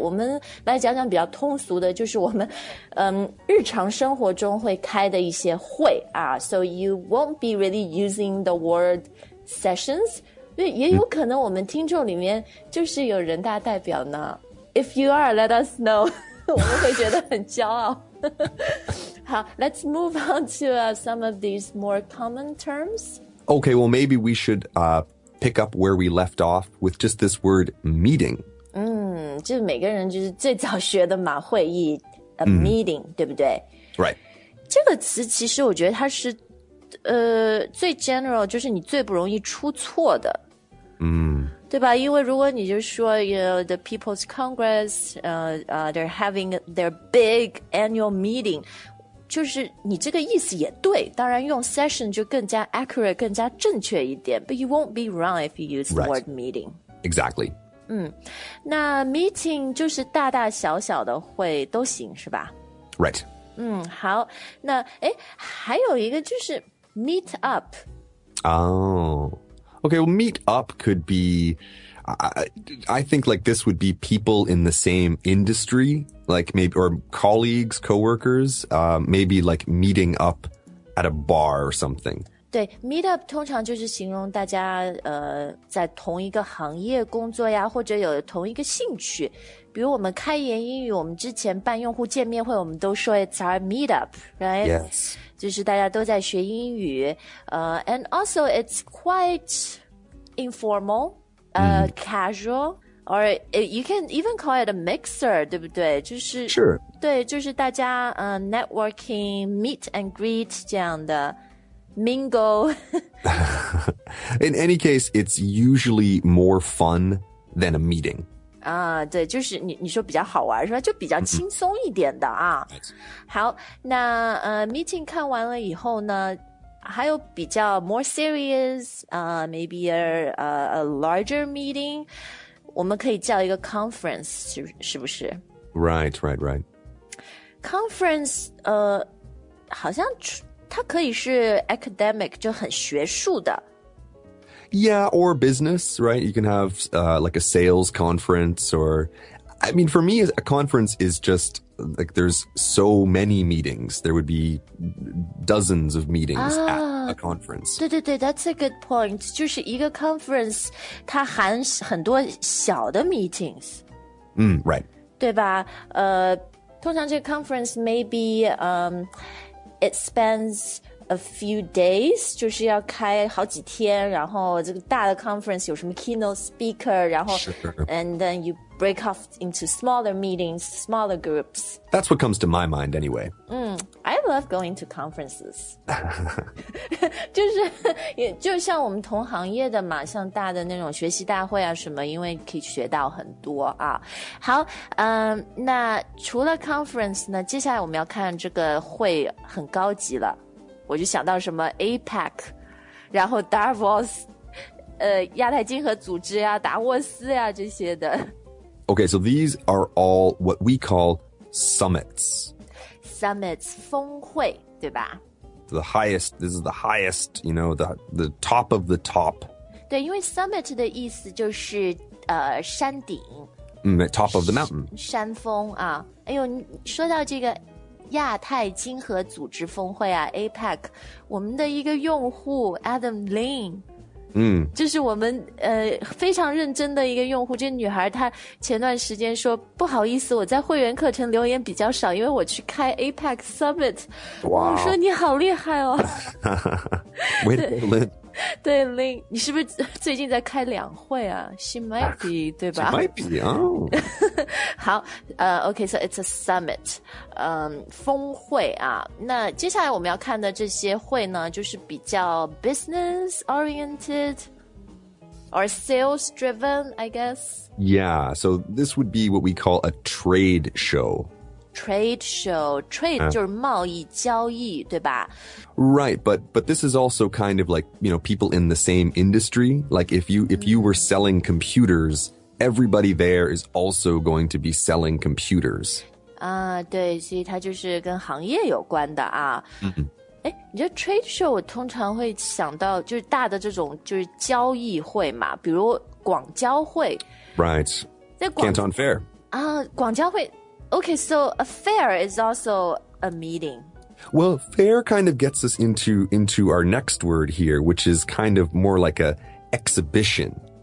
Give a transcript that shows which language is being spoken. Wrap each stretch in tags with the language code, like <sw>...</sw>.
<zh>我们来讲讲比较通俗的，就是我们日常生活中会开的一些会啊。</zh> <en>So you won't be really using the word sessions，</en> <zh>因为也有可能我们听众里面就是有人大代表呢。</zh> <en>If you are, let us know.</en> <zh>我们会觉得很骄傲。好</zh> <en>,let's move on to、some of these more common terms. Okay, well, maybe we should、pick up where we left off with just this word meeting.</en> <zh>就每个人就是最早学的嘛会议 a meeting,、对不对</zh> <en>Right.</en> <zh>这个词其实我觉得它是、最 general, 就是你最不容易出错的。对吧因为如果你就说</zh> <en>you know, the People's Congress, they're having their big annual meeting,</en> <zh>就是你这个意思也对当然用 session 就更加 accurate, 更加正确一点</zh> <en>but you won't be wrong if you use the word meeting. Exactly.</en> <zh>那 meeting 就是大大小小的会都行是吧</zh> <en>Right.</en> <zh>好那诶还有一个就是 meet up.</zh> <en>Oh. Okay, well, meet up could be, I think like this would be people in the same industry, like maybe, or colleagues, coworkers, maybe like meeting up at a bar or something.</en> <zh>对 ,meet up 通常就是形容大家在同一个行业工作呀或者有同一个兴趣。比如我们开言英语我们之前办用户见面会我们都说</zh> <en>it's our meet up, right? Yes.</en> <zh>就是大家都在学英语、</zh> <en>and also it's quite informal,、casual, or you can even call it a mixer,</en> <zh>对不对就是、</zh> <en>sure.</en> <zh>对就是大家、networking, meet and greet, 这样的 mingle.</zh> <en>In any case, it's usually more fun than a meeting.</en> <zh>对就是 你说比较好玩是吧就比较轻松一点的啊。好那meeting 看完了以后呢还有比较</zh> <en>more serious, maybe a larger meeting,</en> <zh>我们可以叫一个 conference, 是不是</zh> <en>Right, right, right.</en> <zh>Conference, 好像它可以是 academic, 就很学术的。</zh> <en>Yeah, or business, right? You can have、like a sales conference or... I mean, for me, a conference is just... Like, there's so many meetings. There would be dozens of meetings、at a conference.</en> <zh>对对对</zh> <en>that's a good point.</en> <zh>就是一个 conference, 它含很多小的 meetings. Right. 对吧、通常这个 conference</zh> <en>maybe、it spends... A few days,</en> <zh>就是要开好几天然后这个大的 conference 有什么 keynote speaker, 然后、</zh> <en>and then you break off into smaller meetings, smaller groups. That's what comes to my mind anyway.、 I love going to conferences.</en> <zh>就是也就像我们同行业的嘛像大的那种学习大会啊什么因为可以学到很多啊。好、那除了 conference 呢接下来我们要看这个会很高级了。我就想到什么 APEC, 然后 Davos, 亚太经合组织啊达沃斯啊这些的。</zh> <en>Okay, so these are all what we call summits.</en> <zh>Summits, 峰会对吧</zh> <en>The highest, this is the highest, you know, the top of the top.</en> <zh>对因为 summit 的意思就是山顶。</zh> <en>Top of the mountain.</en> <zh>山峰啊。哎呦你说到这个亚太经合组织峰会啊 APEC 我们的一个用户 Adam Lin 就是我们非常认真的一个用户这女孩她前段时间说不好意思我在会员课程留言比较少因为我去开 APEC Summit 我说你好厉害哦</zh> <en>Wait a minute</en> <zh>对 Lin 你是不是最近在开两会啊</zh> <en>She might be</en> <zh>对吧</zh> <en>She might be、好okay, so it's a summit,</en> <zh>峰会啊。那接下来我们要看的这些会呢就是比较</zh> <en>business oriented, or sales driven, I guess. Yeah, so this would be what we call a trade show. trade show.</en> <zh>Trade 就是贸易交易，对吧？</zh> <en>Right, but this is also kind of like, you know, people in the same industry. Like if you were selling computers, everybody there is also going to be selling computers.</en> <zh>啊、对，所以它就是跟行业有关的啊。嗯、mm-hmm. 哎，你觉得 trade show 我通常会想到就是大的这种就是交易会嘛，比如广交会</zh> <en>，right？</en> <zh>在</zh> <en>Canton Fair</en> <zh>啊，广交会。</zh> <en>Okay, so a fair is also a meeting. Well, fair kind of gets us into our next word here, which is kind of more like a exhibition.</en>